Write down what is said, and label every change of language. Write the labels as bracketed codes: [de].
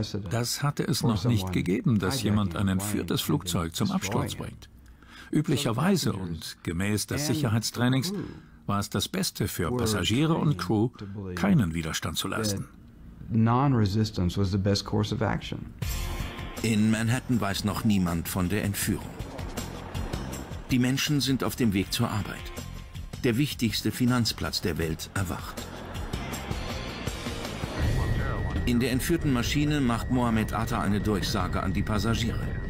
[de] Das hatte es noch nicht gegeben, dass jemand ein entführtes Flugzeug zum Absturz bringt. Üblicherweise und gemäß des Sicherheitstrainings war es das Beste für Passagiere und Crew, keinen Widerstand zu leisten. [en] Non-resistance was the best course of action. [de] In Manhattan weiß noch niemand von der Entführung. Die Menschen sind auf dem Weg zur Arbeit. Der wichtigste Finanzplatz der Welt erwacht. In der entführten Maschine macht Mohammed Atta eine Durchsage an die Passagiere.